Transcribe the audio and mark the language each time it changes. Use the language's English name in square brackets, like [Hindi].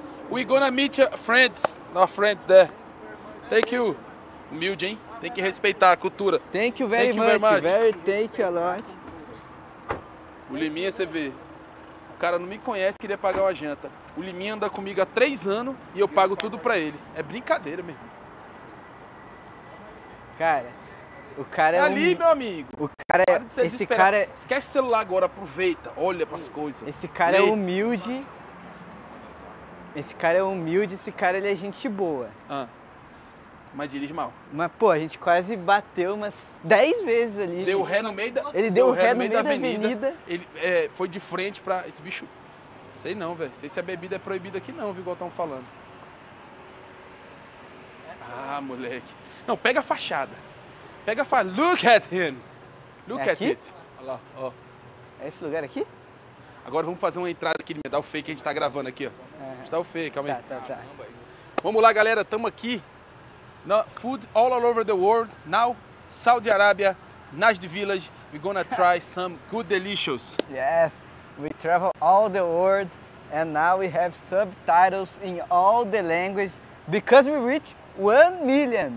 [English] We gonna meet our friends there. Thank you. [Portuguese] Humilde, hein? Tem que respeitar a cultura. [English] Thank you very much. Thank you a lot. [Portuguese] O Liminha, você vê. O cara não me conhece, queria pagar uma janta. O Liminha anda comigo há 3 anos e eu pago tudo pra ele. É brincadeira mesmo. Cara... O cara é ali, um... meu amigo. O cara é... Para de ser esse cara é... Esquece o celular agora, aproveita. Olha pras coisas. Esse cara é humilde. Esse cara é humilde, esse cara ele é gente boa. Ah. Mas dirige mal. Mas, pô, a gente quase bateu umas 10 vezes ali. Deu ré no meio da... Ele deu ré no meio da avenida. Ele foi de frente pra... Esse bicho... Sei não, velho. Sei se a bebida é proibida aqui não, viu, igual estão falando. Ah, moleque. Não, pega a fachada. Pega a [English] look at him! Look [Portuguese] é aqui? [English] At it! [Portuguese] Olha lá, ó. É esse lugar aqui? Agora vamos fazer uma entrada aqui, me dá o fake que a gente tá gravando aqui, ó. Uhum. Deixa eu dar o fake, calma aí. Tá. Vamos lá, galera, tamo aqui. [English] No food all over the world, now, Saudi Arabia, Najd Village, we're gonna try some good delicious. Yes, we travel all the world, and now we have subtitles in all the languages, because we reach 1 million.